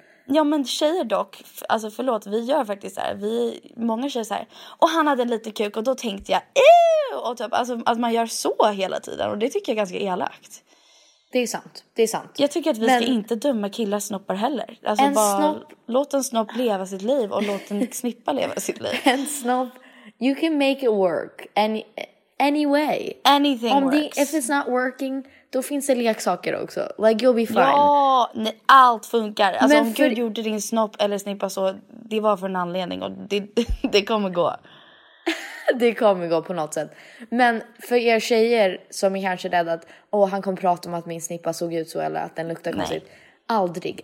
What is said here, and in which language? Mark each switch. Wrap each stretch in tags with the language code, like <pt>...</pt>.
<sv>Ja, men tjejer dock, alltså förlåt, vi gör faktiskt så här, vi, många tjejer så här, och han hade en liten kuk och då tänkte jag, och typ, alltså att man gör så hela tiden, och det tycker jag är ganska elakt. Det är sant, det är sant. Jag tycker att vi ska inte döma killar snoppar heller. Alltså låt en snopp leva sitt liv och låt en snippa leva sitt liv. En snopp,</sv> <en>you can make it work, any way. Anything works. If it's not working,</en> <sv>då finns det leksaker också.</sv> <en>Like, you'll be fine.</en> <sv>Ja, nej, allt funkar. Alltså, men om Gud gjorde din snopp eller snippa så, det var för en anledning. Och det kommer gå. Det kommer gå på något sätt. Men för er tjejer som är kanske rädda att, åh, han kommer prata om att min snippa såg ut så eller att den luktade konstigt. Aldrig.</sv>